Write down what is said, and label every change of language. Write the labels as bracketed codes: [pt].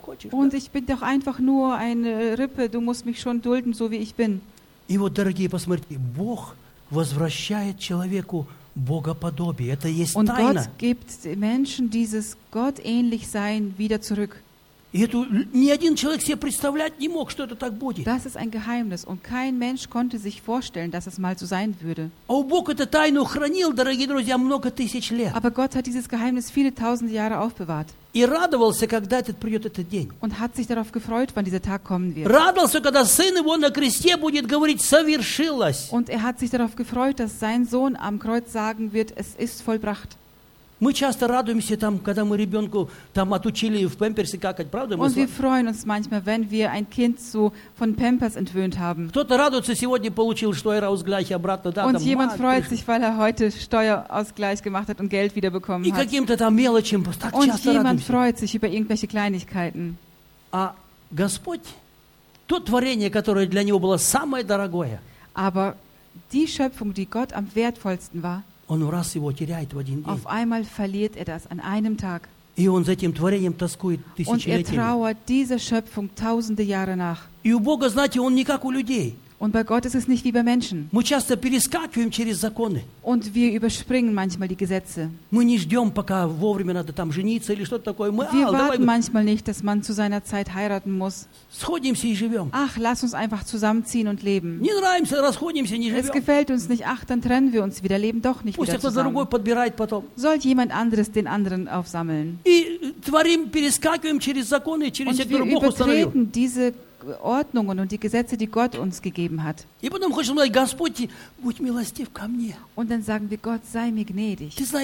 [de] Und ich bin doch einfach nur eine Rippe. Du musst mich schon dulden, so wie ich bin. [ru] И вот, дорогие, посмотрите, Бог возвращает человеку богоподобие. Это есть [de] Und [ru] тайна. [de] Gott gibt Menschen dieses Gottähnlichsein wieder zurück. [ru] Ни один человек себе представлять не мог, что это так будет. [de] Das ist ein Geheimnis und kein Mensch konnte sich vorstellen, dass es mal so sein würde. [ru] А Бог эту тайну хранил, дорогие друзья, много тысяч лет. [de] Aber Gott hat dieses Geheimnis viele tausend Jahre aufbewahrt. [ru] И радовался, когда этот придет этот день. [de] Und hat sich darauf gefreut, wann dieser Tag kommen wird. [ru] Радовался, когда Сын его на кресте будет говорить «совершилось». [de] Und hat sich darauf gefreut, dass sein Sohn am Kreuz sagen wird «es ist vollbracht». [ru] Мы часто радуемся там, когда мы ребенку там отучили в памперсе какать, правда? [de] Und wir freuen uns manchmal, wenn wir ein Kind so von Pampers entwöhnt haben. [ru] Кто-то радуется сегодня получил Steuerausgleich обратно, да? [de] Und [ru] там, [de] jemand freut sich, weil heute Steuerausgleich gemacht hat und Geld wiederbekommen [ru] и [de] hat. [ru] И каким-то там мелочим, так [de] und [ru] часто радуемся. [de] Und jemand freut sich über irgendwelche Kleinigkeiten. [ru] А Господь, то творение, которое для него было самое дорогое. [de] Aber die Schöpfung, die Gott am wertvollsten war. [ru] Он раз его теряет в один день. [de] Auf einmal verliert er das an einem Tag. [ru] И он за этим творением тоскует тысячелетиями. [de] Und er trauert dieser Schöpfung tausende Jahre nach. [ru] И у Бога, знаете, он не как у людей. [de] Und bei Gott ist es nicht wie bei Menschen. [ru] Мы часто перескакиваем через законы. [de] Und wir überspringen manchmal die Gesetze. [ru] Мы не ждем, пока вовремя надо там жениться или что-то такое. Мы, [de] wir warten [ru] давай. [de] Manchmal nicht, dass man zu seiner Zeit heiraten muss. [ru] Сходимся и живем. [de] Ach, lass uns einfach zusammenziehen und leben. [ru] Не нравимся, расходимся, не живем. [de] Es gefällt uns nicht, ach, dann trennen wir uns wieder, leben doch nicht [ru] Пусть [de] wieder zusammen. [ru] Пусть кто-то другой подбирает потом. [de] Soll jemand anderes den anderen aufsammeln. [ru] И творим, перескакиваем через законы, через те, которые Бог установил. [de] Und wir übertreten diese Ordnungen und die Gesetze, die Gott uns gegeben hat. Und dann sagen wir, Gott, sei mir gnädig.